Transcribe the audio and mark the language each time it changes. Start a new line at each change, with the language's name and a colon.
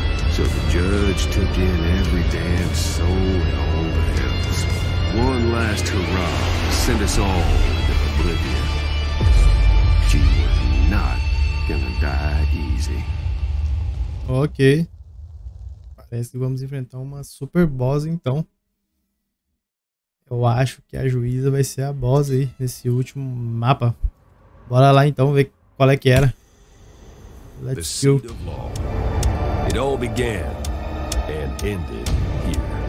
English: So the judge took in every damn soul in all the hells. One last hurrah to send us all into oblivion. She was not gonna die easy. Ok.
Portuguese: Parece que vamos enfrentar uma super boss então. Eu acho que a juíza vai ser a boss aí nesse último mapa. Bora lá então ver qual é que era.
English: Let's go. It all began and ended here.